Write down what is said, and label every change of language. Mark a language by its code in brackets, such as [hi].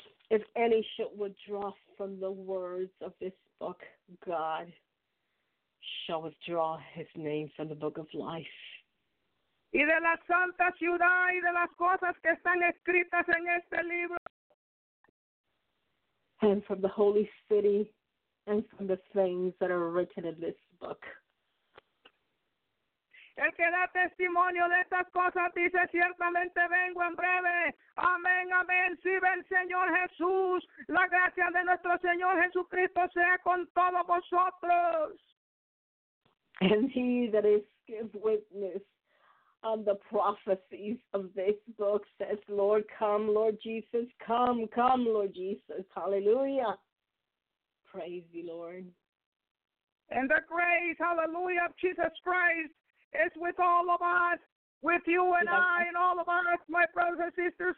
[en] If any shall withdraw from the words of this book, God shall withdraw his name from the book of life. [es] Y de la santa ciudad y de las cosas que están escritas en este libro. [en] And from the holy city, and from the things that are written in this book. [es] El que da testimonio de estas cosas dice, ciertamente vengo en breve. Amén, amén. Sí, ven, Señor Jesús. La gracia de nuestro Señor Jesucristo sea con todos vosotros. [en] And he that is give witness on the prophecies of this book says, Lord, come, Lord Jesus, come, come, Lord Jesus. Hallelujah. Praise the Lord. And the grace, hallelujah, of Jesus Christ is with all of us, with you and I and all of us, my brothers and sisters.